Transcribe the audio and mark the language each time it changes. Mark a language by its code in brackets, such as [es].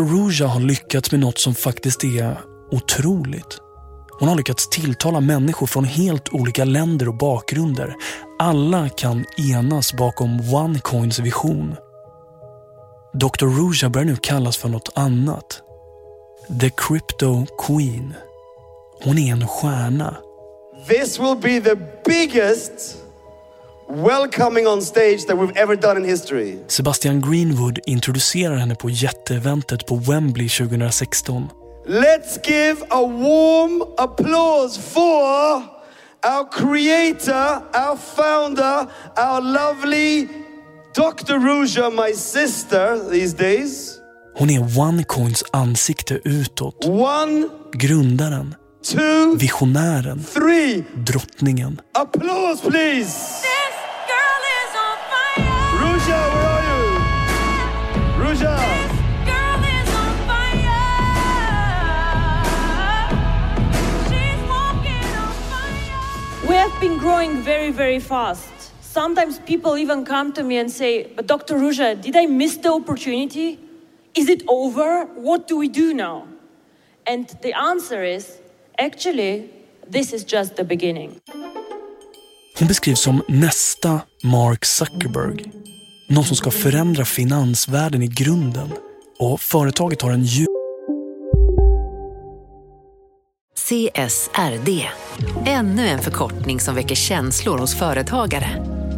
[sv] Ruja har lyckats med något som faktiskt är otroligt. Hon har lyckats tilltala människor från helt olika länder och bakgrunder. Alla kan enas bakom OneCoins vision. Dr. Ruja börjar nu kallas för något annat. The Crypto Queen. Hon är en stjärna. [en] This will be the biggest welcoming on stage that we've ever done in history. [sv] Sebastian Greenwood introducerar henne på jätteeventet på Wembley 2016. [en] Let's give a warm applause for our creator, our founder, our lovely Dr. Ruja, my sister these days. [sv] Hon är OneCoins ansikte utåt. [en] One. [sv] Grundaren. [en] Two, [sv] visionären, [en] three, [sv] drottningen. [en] Applause, please. This girl is on fire. Ruja, where are you? Ruja. This girl is on fire. She's walking on fire. We have been growing very, very fast. Sometimes people even come to me and say, but Dr. Ruja, did I miss the opportunity? Is it over? What do we do now? And the answer is, actually, this is just the beginning. [sv] Hon beskrivs som nästa Mark Zuckerberg. Någon som ska förändra finansvärlden i grunden. Och företaget har en djup... CSRD. Ännu en förkortning som väcker känslor hos företagare.